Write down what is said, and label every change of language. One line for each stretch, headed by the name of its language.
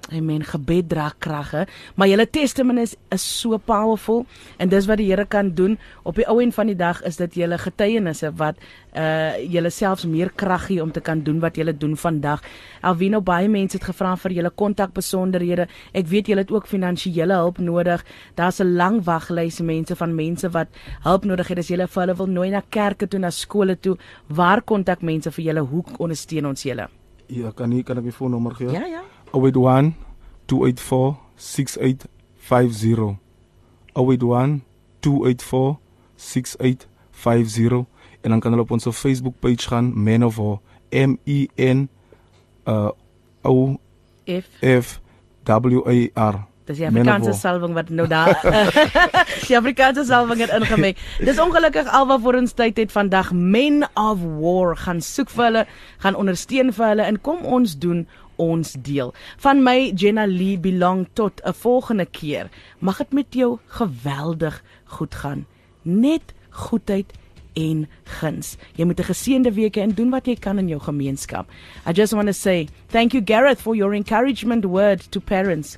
Afrikaans: Amen. Gebed dra krag, hè. Maar julle
English: testimonies
Afrikaans: is
English: so powerful,
Afrikaans: en dis wat die Here kan doen. Op die ou end van die dag is dit julle getuienisse wat julle selfs meer krag gee om te kan doen wat julle doen vandag. Alvino, baie mense het gevra vir julle kontakbesonderhede. Ek weet julle het ook finansiële hulp nodig. Daar's 'n lang waglys mense van mense wat hulp nodig het. As julle vir hulle wil nooi na kerke toe, na skole toe, waar kontak mense vir julle? Hoe ondersteun ons julle? Ja, kan ek my phone nummer gee? Ja, ja. 081-284-6850. 081-284-6850. En dan kan hulle op ons Facebook page gaan, Men of War, MENOFWAR. Dis die Afrikaanse salving wat nou daar die Afrikaanse salving het ingemeng. Dis ongelukkig al wat vir ons tyd het vandag. Men of War, gaan soek vir hulle, gaan ondersteun vir hulle, en kom ons doen ons deel. Van my, Jenna Lee, belong tot 'n volgende keer. Mag het met jou geweldig goed gaan. Net goedheid en guns. Jy moet 'n geseënde week hê en doen wat jy kan in jou gemeenskap.
English: I just want to say thank you, Gareth, for your encouragement word to parents.